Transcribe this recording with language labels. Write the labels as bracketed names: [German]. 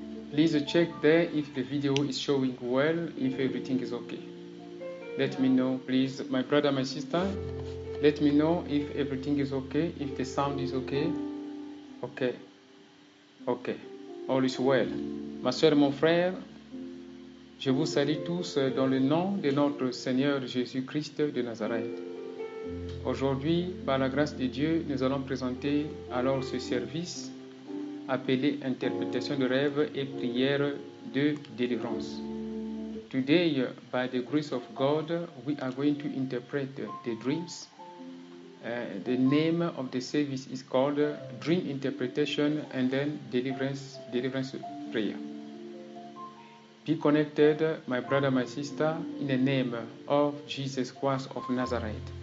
[English] Please check there if the video is showing well, if everything is okay. Let me know, please, my brother, my sister, let me know if everything is okay, if the sound is okay. Okay. Okay. All is well. [French] Ma soeur, mon frère, je vous salue tous dans le nom de notre Seigneur Jésus-Christ de Nazareth. Aujourd'hui, par la grâce de Dieu, nous allons présenter alors ce service appelé Interprétation de rêve et prière de délivrance. [English] Today, by the grace of God, we are going to interpret the dreams. The name of the service is called Dream Interpretation and then Deliverance Prayer. Be connected, my brother, my sister, in the name of Jesus Christ of Nazareth.